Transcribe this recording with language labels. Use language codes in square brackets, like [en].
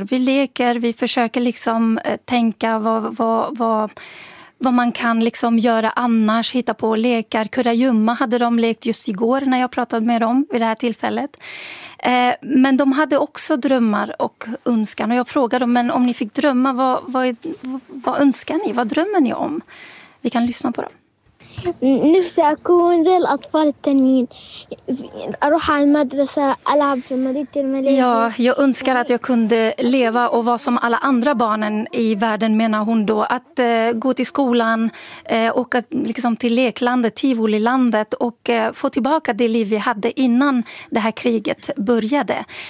[sv] Vi leker, vi försöker liksom tänka vad man kan liksom göra annars, hitta på lekar. Kurajumma hade de lekt just igår när jag pratade med dem vid det här tillfället. Men de hade också drömmar och önskan. Och jag frågade dem, men om ni fick drömma, vad önskar ni? Vad drömmer ni om? Vi kan lyssna på dem. [ar] نفسي أكون زي الأطفال التانيين. أروح على المدرسة ألعب في مدينة الملاهي. [sv] Ja, jag önskar att jag kunde leva och vara som alla andra barnen i världen, menar hon då. Att gå till skolan, åka liksom till leklandet, Tivolilandet och få tillbaka det liv vi hade innan det här kriget började.